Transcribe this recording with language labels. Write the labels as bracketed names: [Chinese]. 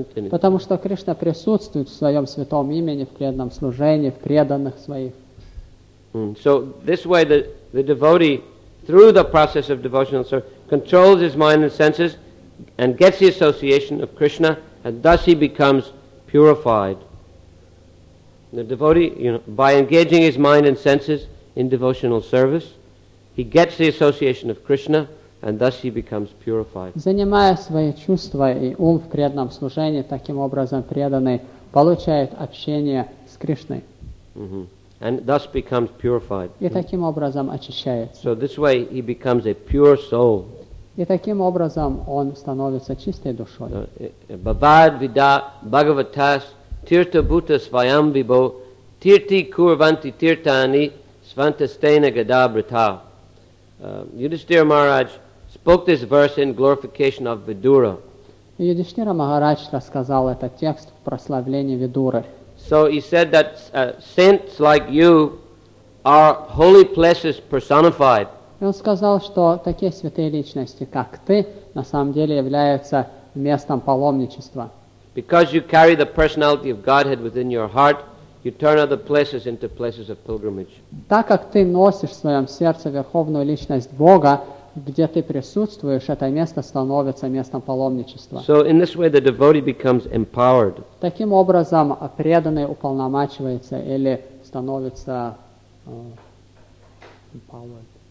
[Russian] Потому что Кришна присутствует в своем святом имени, в преданном служении, в преданных своих. [English] So this way the devotee, through the process of devotional service, controls his mind and senses and gets the association of Krishna and thus he becomes purified. The devotee, you know, by engaging his mind and senses in devotional service, he gets the association of Krishna and thus he becomes purified. [Russian] Занимая свои чувства и ум в преданном служении, таким образом преданный получает общение с Кришной. [English] Mm-hmm. And thus becomes purified. [Russian] И таким образом очищается. [English] So this way he becomes a pure soul. [Russian] И таким образом он становится чистой душой. [Sanskrit] Бабад вида бхагаватас тирта бута свайам вибо тирти курванти тиртани свантастейна гадабрита. [English] Yudhishthira Maharaj spoke this verse in glorification of Vidura. [Russian] Yudhishthira Maharaj рассказал этот текст в прославлении Видуры. [English] So he said that saints like you are holy places personified. [Russian] И он сказал, что такие святые личности, как ты, на самом деле являются местом паломничества. [English] Because you carry the personality of Godhead within your heart, you turn other places into places of pilgrimage. [Russian] Так как ты носишь в своем сердце верховную личность Бога, где ты присутствуешь, это место становится местом паломничества. [English] So in this way the devotee becomes empowered. [Russian] Таким образом, преданный уполномачивается или становится empowered.